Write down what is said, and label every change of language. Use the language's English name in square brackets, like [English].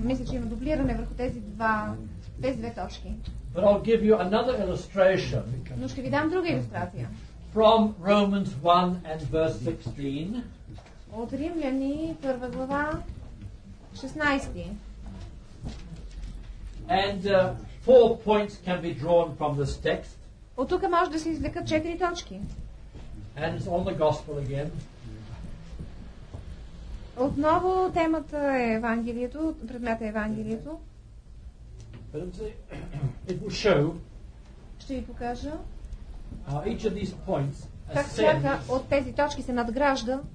[Bulgarian] Мисля, че има дублиране върху тези две точки. [English] But I'll give you another illustration. [Bulgarian] Но ще ви дам друга илюстрация. [English] From Romans 1 and verse 16. [Bulgarian] От Римляни, първа глава, 16. [English] And four points can be drawn from this text. [Bulgarian] От тук може да се извлекат четири точки. [English] And it's on the gospel again. [Bulgarian] Отново темата е Евангелието, предмета е Евангелието. [English] It will show. [Bulgarian] Ще ви покажа. [English] Each of these points ascends. [Bulgarian] Как всяка от тези точки се надгражда.